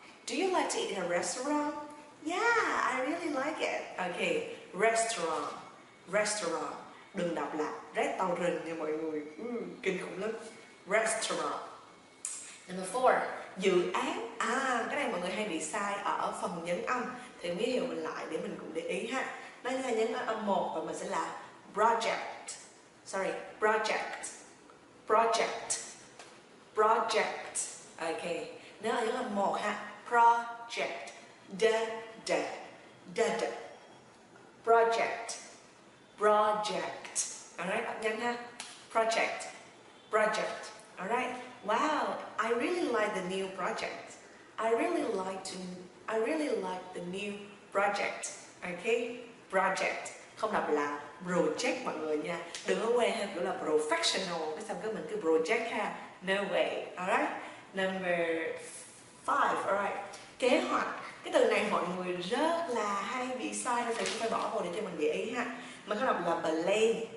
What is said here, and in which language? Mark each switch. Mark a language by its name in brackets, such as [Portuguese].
[English] Do you like to eat in a restaurant? Yeah, I really like it. Okay, restaurant, restaurant. [Vietnamese] Đừng đọc là restaurant nha mọi người. Kinh khủng lắm. Restaurant. [English] Number 4. [Vietnamese] Dự án. À, cái này mọi người hay bị sai ở phần nhấn âm. Thì mình hiểu mình lại để mình cũng để ý ha. Nó là nhấn âm 1 và mình sẽ là project. [English] Sorry, project. Project. Project. Ok. [Vietnamese] Nếu là nhấn âm 1 ha. Project. Da, da. Da, da. Project. Project. Alright, đọc nhanh ha. Project. Project. Alright. [English] Wow, I really like the new project. I really like the new project. Okay? Project. [Vietnamese] Không đọc là project mọi người nha. Đừng có quên ha, kiểu là professional. Cái xong cái mình cứ project ha. [English] No way. Alright. Number 5. Alright. [Vietnamese] Kế hoạch. Cái từ này mọi người rất là hay bị sai, nên thầy cũng phải bỏ vào để cho mình dễ ý ha. Mình có đọc là plan,